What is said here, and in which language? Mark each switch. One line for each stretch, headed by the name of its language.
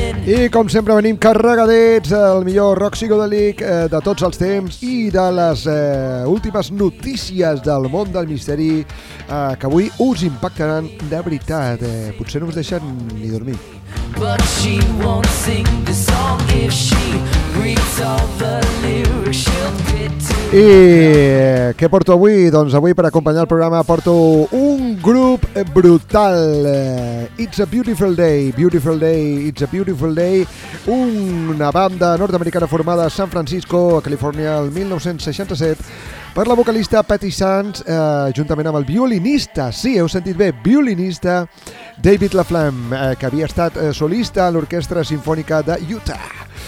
Catalan: I com sempre venim carregadets del millor rock psicodèlic de tots els temps i de les últimes notícies del món del misteri que avui us impactaran de veritat. Potser no us deixen ni dormir.
English: But she won't sing the song if she reads all the lyrics she'll get to.
Catalan: I què porto avui? Doncs avui per acompanyar el programa porto un grup brutal.
English: It's a Beautiful Day, Beautiful Day, It's a Beautiful Day.
Catalan: Una banda nord-americana formada a San Francisco, a Califòrnia, el 1967, per la vocalista Patty Sands, juntament amb el violinista, sí, heu sentit bé, violinista David LaFlamme, que havia estat solista a l'Orquestra Simfònica de Utah.